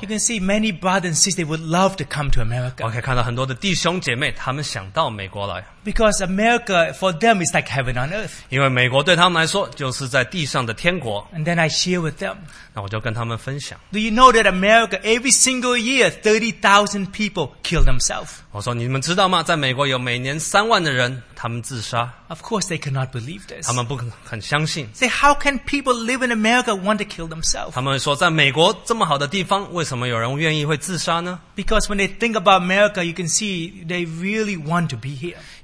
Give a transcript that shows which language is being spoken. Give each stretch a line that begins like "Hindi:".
English: You can see many brothers and sisters would love to come to America.
Chinese: 我可以看到很多的弟兄姐妹他们想到美国来。
English: Because America for them is like heaven on earth.
Chinese: 因为美国对他们来说就是在地上的天国。
English: And then I share with them.
Chinese: 那我就跟他们分享。
English: Do you know that America every single year 30,000 people kill themselves?
Chinese: 我说你们知道吗? 在美国有每年3万的人他们自杀。
English: Of course they cannot believe this.
Chinese: 他们不肯相信。
English: Say how can people live in America want to kill themselves?
Chinese: 他们说在美国这么好的地方, 为什么有人愿意会自杀呢?
English: Because when they think about America, you can see they really want to be here.